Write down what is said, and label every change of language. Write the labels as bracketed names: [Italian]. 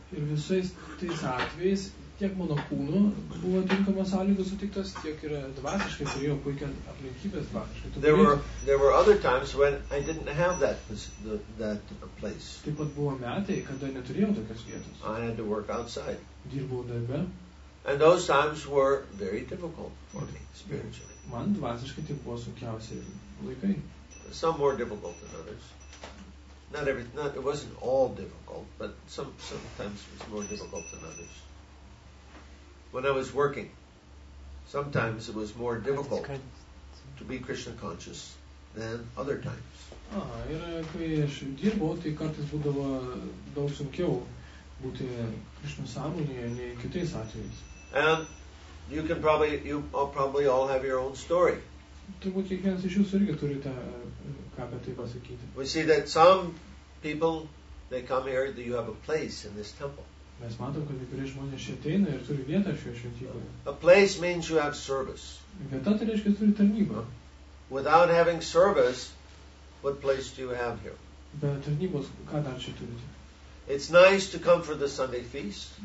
[Lithuanian] Ir visais tais atvejais tiek mano kūnu buvo tinkamos sąlygos sutiktos, tiek ir dvasiškai turėjo puikią aplinkybės dvasiškai. [English] There were other times when I didn't have that place. [Lithuanian] Taip pat buvo metai, kada neturėjau tokios vietos. [English] I had to work outside. [Lithuanian] Dirbau darbe. [English] And those times were very difficult for me spiritually. [Lithuanian] Man dvasiškai tai buvo sunkiausi laikai. [English] Some more difficult than others. It wasn't all difficult, but sometimes it was more difficult than others. When I was working, sometimes it was more difficult to be Krishna conscious than other times. [Lithuanian] Ir kai aš dirbau, tai kartais būdavo daug sunkiau būti Krishna sąmonėje nei kitais atvejais. [English] And you all probably all have your own story. [Lithuanian] Turbūt kiekvienas iš jūsų irgi turite ką apie tai pasakyti. [English] We see that some people, they come here, that you have a place in this temple. [Lithuanian] Mes matom, kad kai žmonės ateina ir turi vietą šioje šventykloje. [English] A place means you have service. [Lithuanian] Vieta tai reiškia, turi tarnybą. [English] Without having service, what place do you have here? [Lithuanian] Be tarnybos, ką dar čia turite? [English] It's nice to come for the Sunday feast.